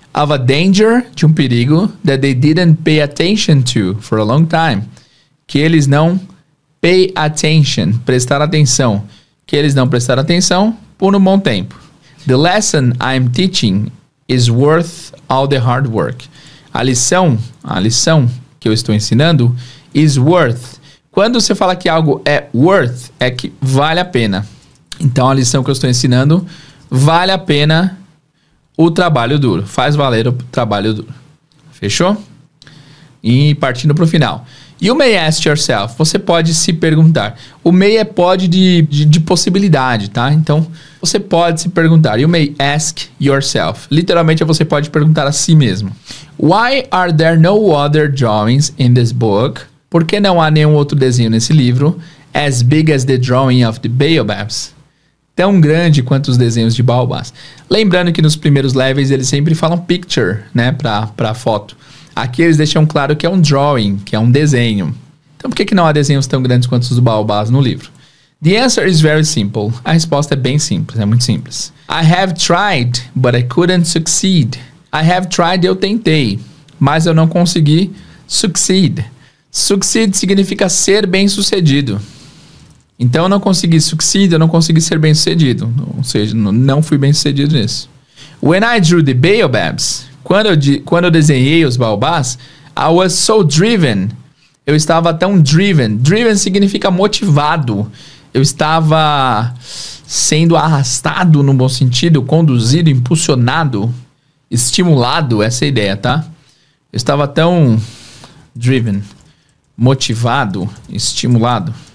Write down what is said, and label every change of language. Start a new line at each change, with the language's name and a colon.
English: Of a danger,
Portuguese: de um perigo,
English: that they didn't pay attention to for a long time.
Portuguese: Que eles não pay attention, prestar atenção. Que eles não prestaram atenção por um bom tempo.
English: The lesson I'm teaching is worth all the hard work.
Portuguese: A lição que eu estou ensinando is worth. Quando você fala que algo é worth, é que vale a pena. Então, a lição que eu estou ensinando vale a pena. O trabalho duro. Faz valer o trabalho duro. Fechou? E partindo para o final.
English: You may ask yourself.
Portuguese: Você pode se perguntar. O may é pode de possibilidade, tá? Então, você pode se perguntar.
English: You may ask yourself.
Portuguese: Literalmente, você pode perguntar a si mesmo.
English: Why are there no other drawings in this book?
Portuguese: Por que não há nenhum outro desenho nesse livro?
English: As big as the drawing of the baobabs.
Portuguese: Tão grande quanto os desenhos de baobás. Lembrando que nos primeiros levels eles sempre falam picture, né, pra foto. Aqui eles deixam claro que é um drawing, que é um desenho. Então por que, que não há desenhos tão grandes quanto os baobás no livro?
English: The answer is very simple.
Portuguese: A resposta é bem simples, é muito simples.
English: I have tried, but I couldn't succeed. I have tried,
Portuguese: eu tentei, mas eu não consegui succeed. Succeed significa ser bem sucedido. Então, eu não consegui succeed, eu não consegui ser bem-sucedido. Ou seja, não fui bem-sucedido nisso.
English: When I drew the baobabs,
Portuguese: quando eu desenhei os baobás,
English: I was so driven.
Portuguese: Eu estava tão driven. Driven significa motivado. Eu estava sendo arrastado, no bom sentido, conduzido, impulsionado, estimulado, essa ideia, tá? Eu estava tão driven, motivado, estimulado.